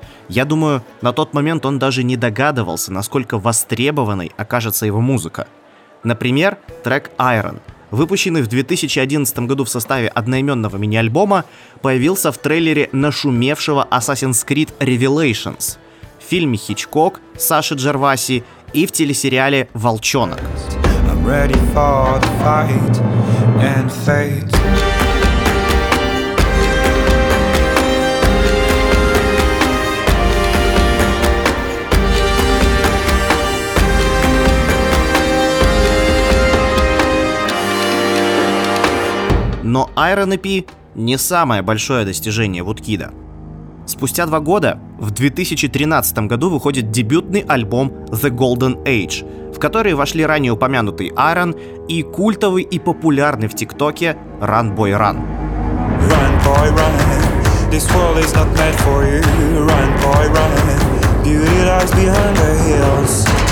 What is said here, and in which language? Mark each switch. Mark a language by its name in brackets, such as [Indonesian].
[Russian] Я думаю, на тот момент он даже не догадывался, насколько востребованной окажется его музыка. Например, трек «Iron», выпущенный в 2011 году в составе одноименного мини-альбома, появился в трейлере нашумевшего Assassin's Creed Revelations, в фильме «Хичкок» Саши Джерваси и в телесериале «Волчонок». [English] I'm ready for the fight and fate. [Russian] Но Iron EP не самое большое достижение Вудкида. Спустя два года, в 2013 году, выходит дебютный альбом The Golden Age, в который вошли ранее упомянутый Iron и культовый и популярный в ТикТоке Run Boy Run. [English] Run, boy, run. This world is not meant for you. Run, boy, run. Beauty lies behind the hills.